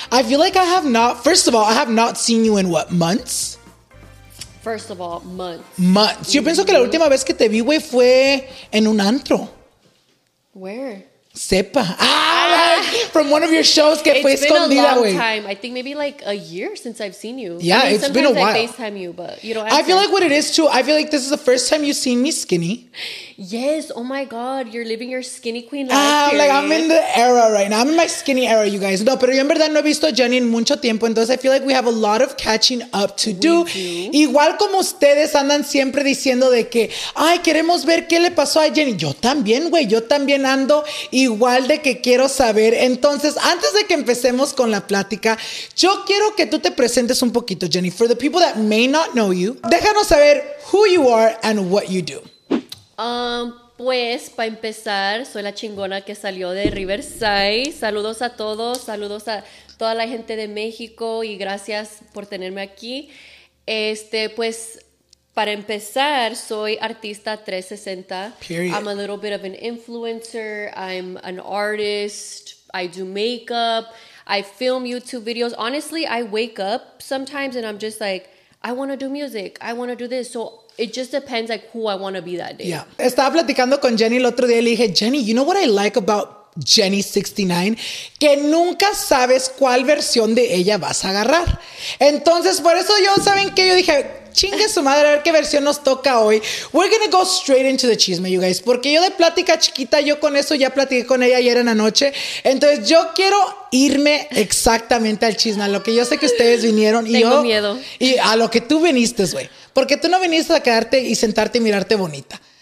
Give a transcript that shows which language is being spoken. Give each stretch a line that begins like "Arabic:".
English: I feel like I have not, first of all, I have not seen you in what, months? First of all, months. Months.
Spanish: Mm-hmm. Yo pienso que la última vez que te vi, güey, fue en un antro.
English: Where?
Spanish: Sepa.
English: From one of your shows
Spanish: que
English: it's
Spanish: fue escondida, güey.
English: It's been a long time. I think maybe like a year since I've seen you. Yeah, I mean, it's been a while. Sometimes I FaceTime you, but you don't answer. I feel like what it is, too, I feel like this is the first time you've seen me skinny. Yes. Oh, my God. You're living your skinny queen life. Like, I'm in the era right now. I'm in my skinny era, you guys.
Spanish: No, pero yo en verdad no he visto a Jenny en mucho tiempo. Entonces,
English: I feel like we have a lot of catching up to do.
Spanish: Igual como ustedes andan siempre diciendo de que, ay, queremos ver qué le pasó a Jenny. Yo también, güey. Yo también ando igual de que quiero saber. Entonces, antes de que empecemos con la plática, yo quiero que tú te presentes un poquito, Jenny.
English: For the people that may not know you,
Spanish: déjanos saber
English: who you are and what you do.
Spanish: Pues, para empezar, soy la chingona que salió de Riverside. Saludos a todos, saludos a toda la gente de México y gracias por tenerme aquí. Pues, para empezar, soy artista 360.
English: Period. I'm a little bit of an influencer. I'm an artist. I do makeup. I film YouTube videos. Honestly, I wake up sometimes and I'm just like, I want to do music. I want to do this. So, it just depends like who I want to be that day.
Spanish: Yeah. Estaba platicando con Jenny el otro día y le dije, Jenny,
English: you know what I like about Jenny 69?
Spanish: Que nunca sabes cuál versión de ella vas a agarrar. Entonces, por eso yo, ¿saben qué? Yo dije, chingue su madre, a ver qué versión nos toca hoy.
English: We're gonna go straight into the chisme, you guys.
Spanish: Porque yo de plática chiquita, yo con eso ya platiqué con ella ayer en la noche. Entonces, yo quiero irme exactamente al chisme, a lo que yo sé que ustedes vinieron. Tengo miedo. Y a lo que tú viniste, güey. Porque tú no viniste a quedarte y sentarte y mirarte bonita.